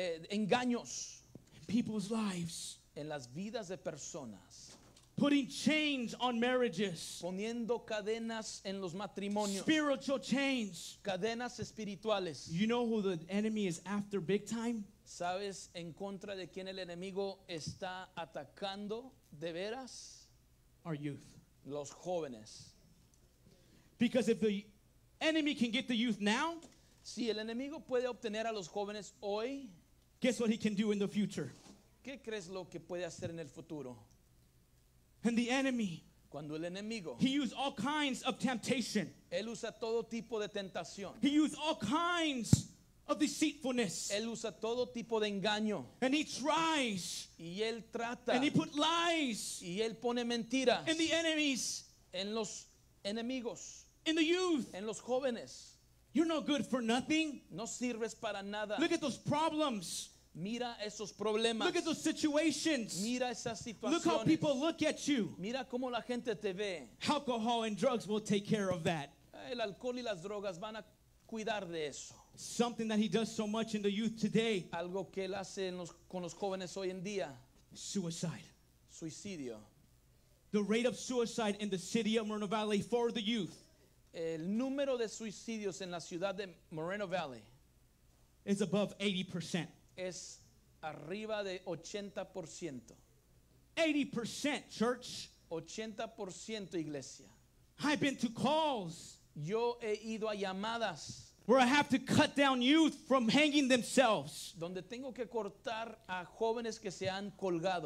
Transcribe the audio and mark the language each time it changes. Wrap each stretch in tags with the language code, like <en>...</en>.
<es>Engaños.</es> <en>In people's lives.</en> <es>En las vidas de personas.</es> <en>Putting chains on marriages.</en> <es>Poniendo cadenas en los matrimonios.</es> <en>Spiritual chains.</en> <es>Cadenas espirituales.</es> <en>You know who the enemy is after big time?</en> <es>¿Sabes en contra de quién el enemigo está atacando de veras?</es> <en>Our youth.</en> <es>Los jóvenes.</es> <en>Because if the enemy can get the youth now.</en> <es>Si el enemigo puede obtener a los jóvenes hoy.</es> <en>Guess what he can do in the future.</en> <es>¿Qué crees lo que puede hacer en el futuro?</es> <en>And the enemy.</en> <es>Cuando el enemigo.</es> <en>He used all kinds of temptation.</en> <es>Él usa todo tipo de tentación.</es> <en>He used all kinds of deceitfulness.</en> <es>Él usa todo tipo de engaño.</es> <en>And he tries.</en> <es>Y él trata.</es> <en>And he put lies.</en> <es>Y él pone mentiras.</es> <en>In the enemies.</en> <es>En los enemigos.</es> <en>In the youth.</en> <es>En los jóvenes.</es> <en>You're no good for nothing.</en> <es>No sirves para nada.</es> <en>Look at those problems.</en> <es>Mira esos problemas.</es> <en>Look at those situations.</en> <es>Mira esas situaciones.</es> <en>Look how people look at you.</en> <es>Mira cómo la gente te ve.</es> <en>Alcohol and drugs will take care of that.</en> <es>El alcohol y las drogas van a cuidar de eso.</es> <en>Something that he does so much in the youth today.</en> <es>Algo que él hace con los jóvenes hoy en día.</es> <en>Suicide.</en> <es>Suicidio.</es> <en>The rate of suicide in the city of Moreno Valley for the youth.</en> <es>El número de suicidios en la ciudad de Moreno Valley</es> <en>is above 80%.</en> <es>Es arriba de 80%.</es> <en>80% church.</en> <es>80% iglesia.</es> <en>I've been to calls.</en> <es>Yo he ido a llamadas.</es> <en>Where I have to cut down youth from hanging themselves.</en> <es>Donde tengo que cortar a jóvenes que se han colgado.</es>